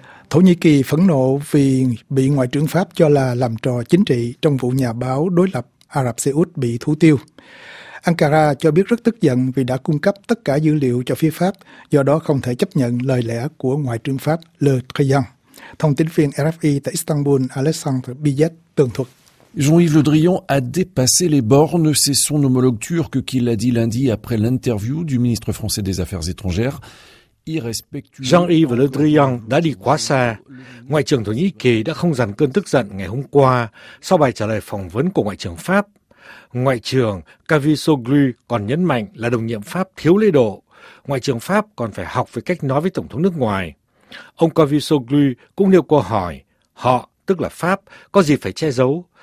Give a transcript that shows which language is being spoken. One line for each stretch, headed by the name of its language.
Vietnamese: Thổ Nhĩ Kỳ phẫn nộ vì bị Ngoại trưởng Pháp cho là làm trò chính trị trong vụ nhà báo đối lập Ả Rập Xê Út bị thủ tiêu. Ankara cho biết rất tức giận vì đã cung cấp tất cả dữ liệu cho phía Pháp, do đó không thể chấp nhận lời lẽ của Ngoại trưởng Pháp Le Drian. Thông tin viên RFI tại Istanbul Alexandre Bizet tường thuật.
French: Jean-Yves Le Drian a dépassé les bornes, c'est son homologue turc qui l'a dit lundi après l'interview du ministre français des Affaires étrangères.
Vietnamese: Jean-Yves Le Drian đã đi quá xa. Ngoại trưởng Thổ Nhĩ Kỳ đã không dằn cơn tức giận ngày hôm qua sau bài trả lời phỏng vấn của Ngoại trưởng Pháp. Ngoại trưởng Cavusoglu còn nhấn mạnh là đồng nhiệm Pháp thiếu lễ độ. Ngoại trưởng Pháp còn phải học về cách nói với Tổng thống nước ngoài. Ông Cavusoglu cũng nêu câu hỏi, họ, tức là Pháp, có gì phải che giấu?